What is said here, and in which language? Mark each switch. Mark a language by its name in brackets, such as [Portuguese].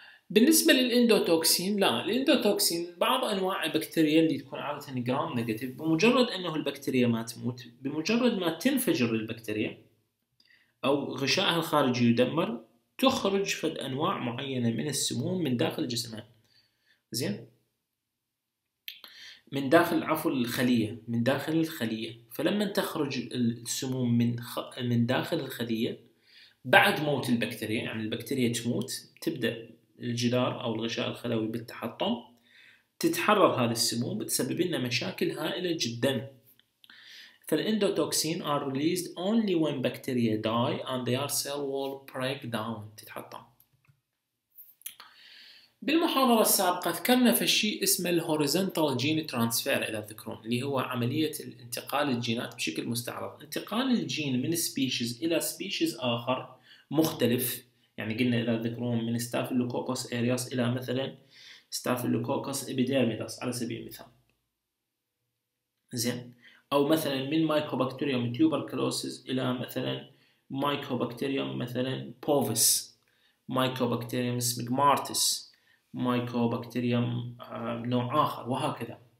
[Arabic] بالنسبه للاندوتوكسين لا، الاندوتوكسين بعض انواع البكتيريا اللي تكون عاده جرام نيجاتيف بمجرد انه البكتيريا ما تموت بمجرد ما تنفجر البكتيريا او غشائها الخارجي يدمر تخرج فد انواع معينه من السموم من داخل جسمها زين من داخل عفوا الخلية من داخل الخلية. فلما تخرج السموم من داخل الخلية بعد موت البكتيريا يعني البكتيريا تموت تبدأ الجدار أو الغشاء الخلوي بالتحطم تتحرر هذه السموم بتسبب لنا مشاكل هائلة جدا. [English] فالإندوتوكسين are released only when bacteria die and their cell wall break down [Arabic] تتحطم. بالمحاضرة السابقة ذكرنا في الشيء اسمه الهوريزنتال جين ترانسفير إذا تذكرون اللي هو عملية الانتقال الجينات بشكل مستعرض. انتقال الجين من سبيشيز إلى سبيشيز آخر مختلف يعني قلنا إذا تذكرون من ستافيلوكوكوس إيرياس إلى مثلا ستافيلوكوكوس إبيديرميداس على سبيل المثال زين، أو مثلا من مايكوبكتيريوم تيوبركلوسيس إلى مثلا مايكوبكتيريوم مثلا بوفيس مايكوبكتيريوم سميغمارتس مايكوبكتيريوم نوع آخر وهكذا.